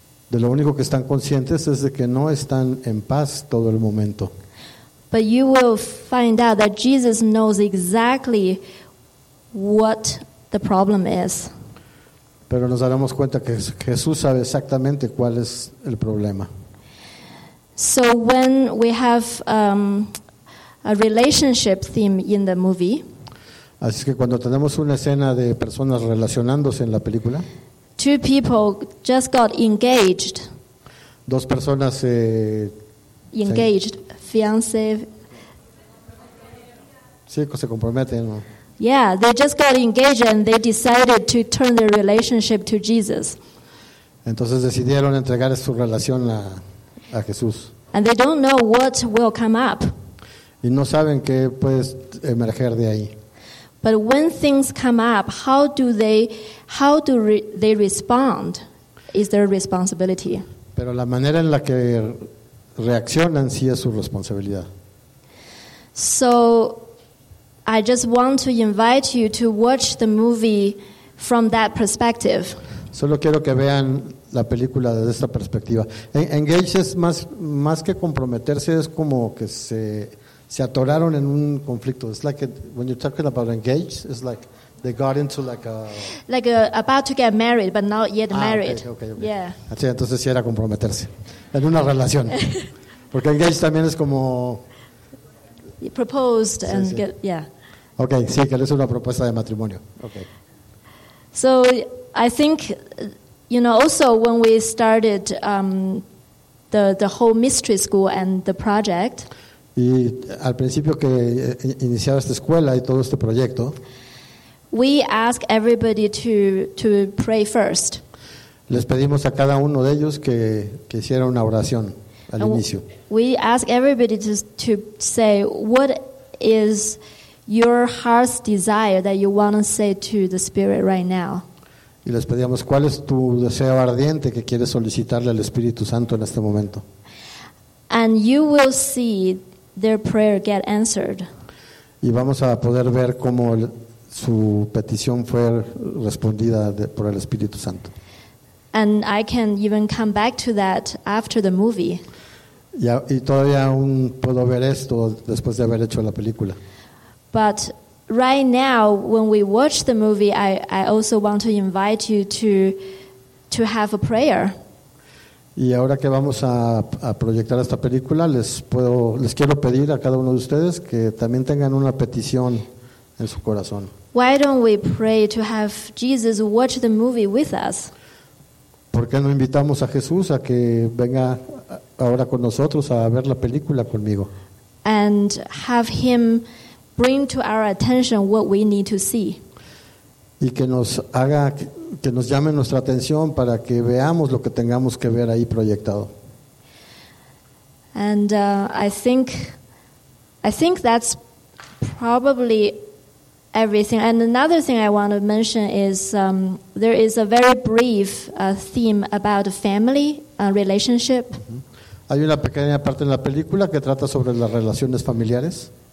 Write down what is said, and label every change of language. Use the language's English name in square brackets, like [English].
[Spanish] De lo único que están conscientes es de que no están en paz todo el momento. [English] But you will find out that Jesus knows exactly what the problem is. [Spanish] Pero nos daremos cuenta que Jesús sabe exactamente cuál es el problema. [English] So when we have a relationship theme in the movie, [Spanish] así que cuando tenemos una escena de personas relacionándose en la película, [English] two people just got engaged. [Spanish] Dos personas [English] engaged, fiancé. [Spanish] Sí, se comprometen. [English] Yeah, they just got engaged and they decided to turn their relationship to Jesus. [Spanish] Entonces decidieron entregar su relación a Jesús. [English] And they don't know what will come up. [Spanish] Y no saben qué puede emerger de ahí. [English] But when things come up, how do they respond? Is their responsibility? [Spanish] Pero la manera en la que reaccionan sí es su responsabilidad. [English] So I just want to invite you to watch the movie from that perspective. [Spanish] Solo quiero que vean la película desde esta perspectiva. Engage es más que comprometerse, es como que se atoraron en un conflicto. [English] It's like when you're talking about engaged, it's like they got into like about to get married but not yet married. Okay. [Spanish] Yeah. Así, entonces sí era comprometerse en una relación. Porque engaged también es como [English] you proposed sí, and sí. Get yeah. [Spanish] Okay, sí, que es una propuesta de matrimonio. [English] Okay. So I think you know also when we started the whole mystery school and the project, [Spanish] y al principio que iniciaba esta escuela y todo este proyecto, [English] we ask everybody to pray first. [Spanish] Les pedimos a cada uno de ellos que hiciera una oración al inicio. [English] We ask everybody to say what is your heart's desire that you want to say to the Spirit right now. [Spanish] Y les pedíamos cuál es tu deseo ardiente que quieres solicitarle al Espíritu Santo en este momento. [English] And you will see their prayer get answered. [Spanish] Y vamos a poder ver cómo su petición fue respondida por el Espíritu Santo. [English] And I can even come back to that after the movie. [Spanish] Y todavía aún puedo ver esto después de haber hecho la película. [English] But right now, when we watch the movie, I also want to invite you to have a prayer. [Spanish] Y ahora que vamos a proyectar esta película, les quiero pedir a cada uno de ustedes que también tengan una petición en su corazón. [English] Why don't we pray to have Jesus watch the movie with us? [Spanish] ¿Por qué no invitamos a Jesús a que venga ahora con nosotros a ver la película conmigo? [English] And have him bring to our attention what we need to see. [Spanish] Y que nos llame nuestra atención para que veamos lo que tengamos que ver ahí proyectado. [English] And I think that's probably everything. And another thing I want to mention is there is a very brief theme about family relationship. Mm-hmm. [Spanish] Hay una pequeña parte en la película que trata sobre las relaciones familiares.